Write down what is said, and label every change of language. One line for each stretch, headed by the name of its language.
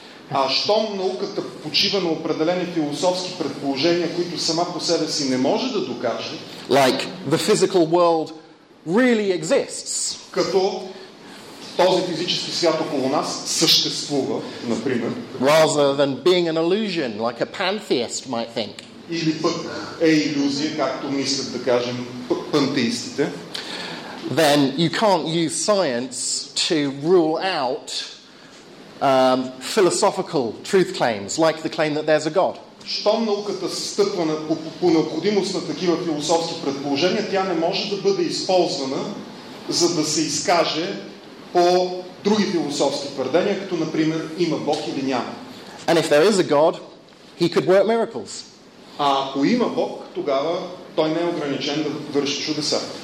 Bulgarian: А щом науката почива на определени философски предположения, които сама по себе си не може да докаже,
English: like the physical world really exists.
Bulgarian: Като този физически свят около нас съществува, например.
English: Rather than being an illusion, like a pantheist might think.
Bulgarian: Или пък е илюзия, както мислят да кажем пантеистите.
English: Then you can't use science to rule out philosophical truth claims, like the claim that there's a God.
Bulgarian: Щом науката стъпва по необходимост на такива философски предположения, тя не може да бъде използвана, за да се изкаже по други философски твърдения, като например има Бог или няма.
English: And if there is a God, he could work miracles.
Bulgarian: А ако има Бог, тогава той не е ограничен да върши чудеса.